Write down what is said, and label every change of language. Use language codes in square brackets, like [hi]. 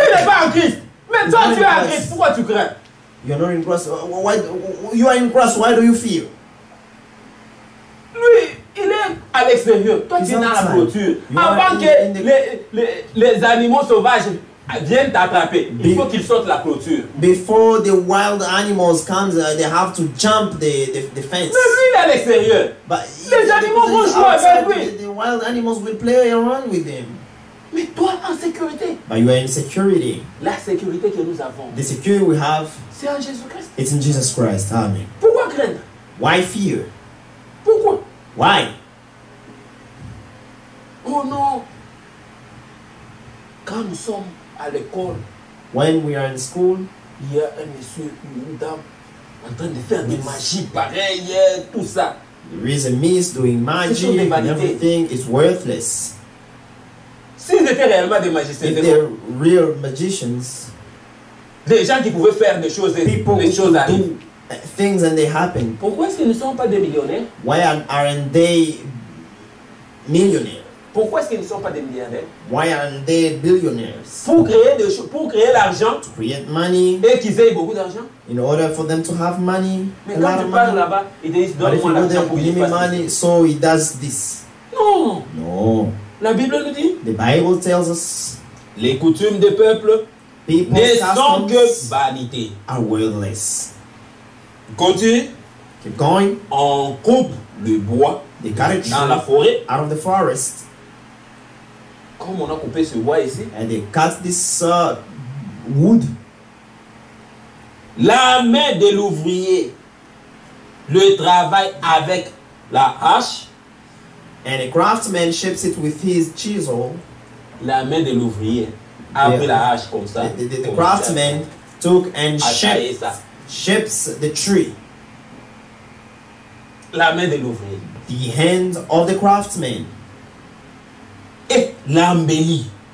[fr] Lui n'est pas en Christ. Mais toi, tu es en Christ. Pourquoi tu crains? [en] You're not in Christ. Why you are in Christ? Why do you fear? [fr] Lui, il est à l'extérieur. Toi, tu es dans la clôture. Avant que les animaux sauvages viennent t'attraper, il faut qu'ils sortent la clôture. [en] Before the wild animals come, they have to jump the fence. [fr] Mais lui, il est à l'extérieur. [en] But [fr] les animaux vont jouer avec lui. [en] The wild animals will play around with him. [fr] Mais toi, en sécurité. [en] But you are in security. [fr] La sécurité que nous avons. [en] The security we have. [fr] C'est en Jésus Christ. [en] It's in Jesus Christ. Amen. [fr] Pourquoi craindre? [en] Why fear? [fr] Pourquoi? [en] Why? [fr] Oh non. Quand nous sommes à l'école. [en] When we are in school. [fr] Il y a un monsieur, une dame, en train de faire des magies pareilles, tout ça. [en] There is a miss doing magic and everything is worthless. [fr] Si ils étaient réellement des magiciens, [en] if they're real magicians, [fr] des gens qui pouvaient faire des choses, les choses arrivent. [en] Things and they happen. [fr] Pourquoi est-ce qu'ils ne sont pas des millionnaires? [en] Why aren't they millionaires? [fr] Pourquoi est-ce qu'ils ne sont pas des millionnaires? [en] Why aren't they billionaires? [fr] Pour créer des choses, pour créer l'argent. [en] To create money. [fr] Et qu'ils aient beaucoup d'argent. [en] In order for them to have money. [fr] Mais quand tu parles là-bas, ils disent donne-moi l'argent pour [en] give me money, so he does this. [fr] Non. [en] No. [fr] La Bible nous dit. [en] The Bible tells us. [fr] Les coutumes des peuples. [en] People. [fr] Ne sont que vanité. [en] Are worthless. [fr] Continue. [en] Keep going. [fr] On coupe le bois. [en] They cut it [fr] dans la forêt. [en] Out of the forest. [fr] Comme on a coupé ce bois ici. [en] And they cut this wood. [fr] La main de l'ouvrier le travaille avec la hache. [en] And a craftsman shapes it with his chisel. [fr] La main de l'ouvrier a pris la hache comme ça. [en] The craftsman took and shapes the tree. [fr] La main de l'ouvrier. [en] The hand of the craftsman. [fr] Et l'embellit.